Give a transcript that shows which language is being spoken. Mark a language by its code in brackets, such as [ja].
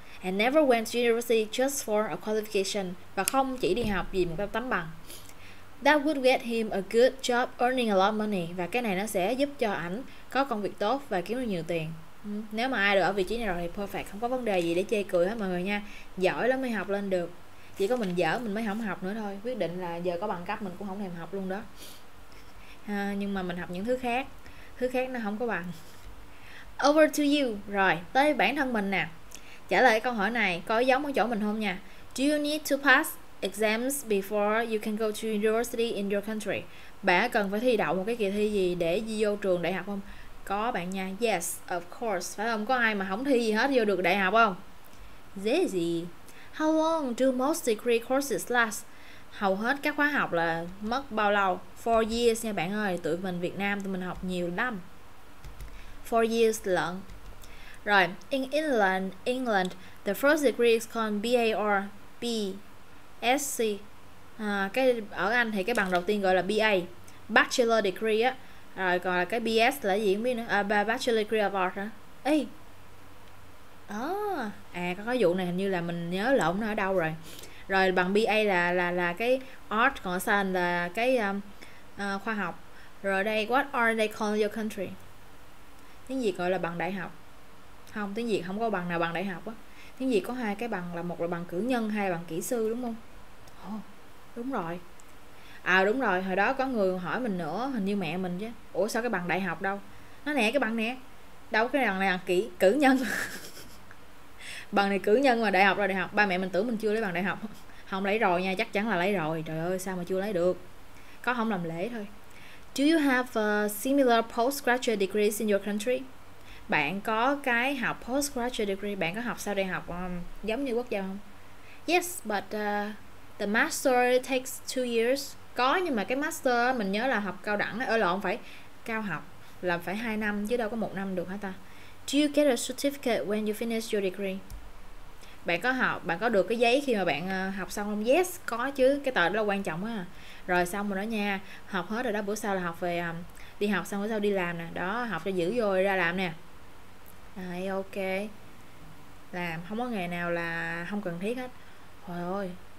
[en] And never went to university just for a qualification. [vi] Và không chỉ đi học vì một cái tấm bằng. [en] That would get him a good job earning a lot of money. [vi] Và cái này nó sẽ giúp cho ảnh có công việc tốt và kiếm được nhiều tiền. Nếu mà ai được ở vị trí này rồi thì perfect. Không có vấn đề gì để chê cười hết mọi người nha. Giỏi lắm mới học lên được. Chỉ có mình dở mình mới không học nữa thôi. Quyết định là giờ có bằng cấp mình cũng không thèm học luôn đó. À, nhưng mà mình học những thứ khác. Thứ khác nó không có bằng. [en] Over to you. [vi] Rồi, tới bản thân mình nè. Trả lời câu hỏi này có giống ở chỗ mình không nha. [en] Do you need to pass exams before you can go to university in your country? [vi] Bạn cần phải thi đậu một cái kỳ thi gì để đi vô trường đại học không? Có bạn nha. [en] Yes, of course. [vi] Phải không? Có ai mà không thi gì hết vô được đại học không? Dễ gì. [en] How long do most degree courses last? [vi] Hầu hết các khóa học là mất bao lâu? [en] 4 years [vi] nha bạn ơi. Tụi mình Việt Nam, tụi mình học nhiều năm. [en] 4 years long. Right. In England, the first degree is called BSc. [vi] Cái ở Anh thì cái bằng đầu tiên gọi là BA, Bachelor degree á. Rồi còn là cái BS là gì không biết nữa. À, Bachelor degree of Art hả? Ê. À có cái vụ này hình như là mình nhớ lộn nó ở đâu rồi. Rồi bằng BA là cái Art, còn sao là cái khoa học. Rồi đây [en] what are they called in your country? [vi] Tiếng Việt gọi là bằng đại học. Không, tiếng Việt không có bằng nào bằng đại học á. Tiếng Việt có hai cái bằng, là một là bằng cử nhân, hai là bằng kỹ sư, đúng không? Ồ, đúng rồi. À đúng rồi, hồi đó có người hỏi mình nữa, hình như mẹ mình chứ. Ủa sao cái bằng đại học đâu? Nó nè cái bằng nè. Đâu cái bằng này là cử nhân. Bằng này cử nhân mà đại học rồi đại học. Ba mẹ mình tưởng mình chưa lấy bằng đại học. Không lấy rồi nha, chắc chắn là lấy rồi. Trời ơi sao mà chưa lấy được. Có không làm lễ thôi. [en] Do you have a similar postgraduate degree in your country? [vi] Bạn có cái học postgraduate degree, bạn có học sau đại học giống như quốc gia không? [en] Yes, but the master takes 2 years. [vi] Có, nhưng mà cái master mình nhớ là học cao đẳng, cao học là phải 2 năm chứ đâu có 1 năm được hả ta? [en] Do you get a certificate when you finish your degree? [vi] Bạn có học, bạn có được cái giấy khi mà bạn học xong không? Yes, có chứ, cái tờ đó là quan trọng á. Rồi xong rồi đó nha, học hết rồi đó, bữa sau là học về, đi học xong bữa sau đi làm nè, đó, học cho giữ vô ra làm nè. Đấy, ok. Làm, không có ngày nào là không cần thiết hết. Trời ơi.